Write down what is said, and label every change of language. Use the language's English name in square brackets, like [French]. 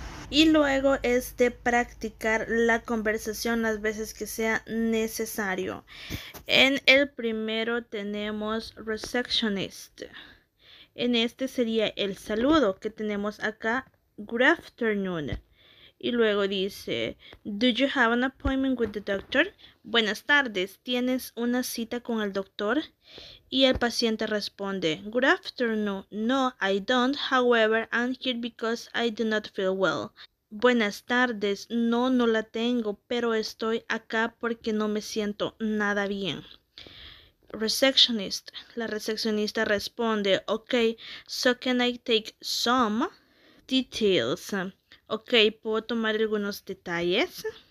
[Spanish] Y luego es de practicar la conversación las veces que sea necesario. En el primero tenemos receptionist. En este sería el saludo que tenemos acá, [English] good afternoon. [Spanish] Y luego dice, [English] "Do you have an appointment with the doctor?" [Spanish] Buenas tardes, ¿tienes una cita con el doctor? Y el paciente responde, [English] "Good afternoon. No, I don't. However, I'm here because I do not feel well." [Spanish] Buenas tardes, no, no la tengo, pero estoy acá porque no me siento nada bien. [English] Receptionist. [Spanish] La recepcionista responde, [English] "Ok, so can I take some details?" [Spanish] Ok, ¿puedo tomar algunos detalles?